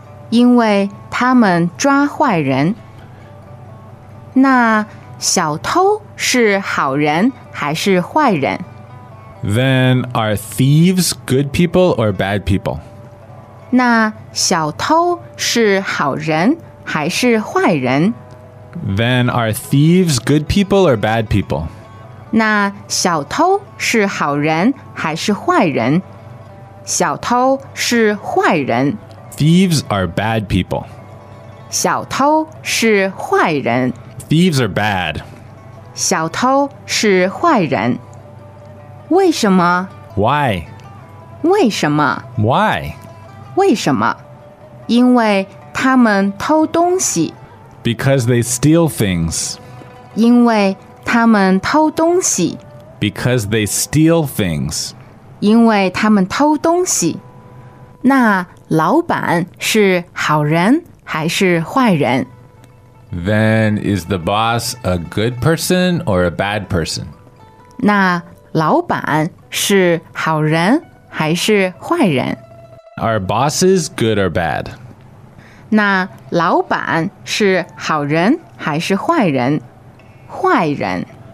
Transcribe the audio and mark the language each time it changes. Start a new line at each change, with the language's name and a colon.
Chinese: 因为他们抓坏人。那 小偷是好人还是坏人?
English: Then are thieves good people or bad people?
Chinese: 那小偷是好人还是坏人?
English: Then are thieves good people or bad people?
Chinese: 那小偷是好人还是坏人? 小偷是坏人.
English: Thieves are bad people.
Chinese: 小偷是坏人.
English: Thieves are bad.
Chinese: 小偷是坏人。为什么?
English: Why?
Chinese: 为什么
English: Why?
Chinese: 为什么因为他们偷东西
English: Because they steal things.
Chinese: 因为他们偷东西
English: Because they steal things.
Chinese: 因为他们偷东西那老板是好人还是坏人
English: Then is the boss a good person or a bad person?
Chinese: 那老板是好人还是坏人
English: Are bosses good or bad?
Chinese: 那老板是好人还是坏人坏人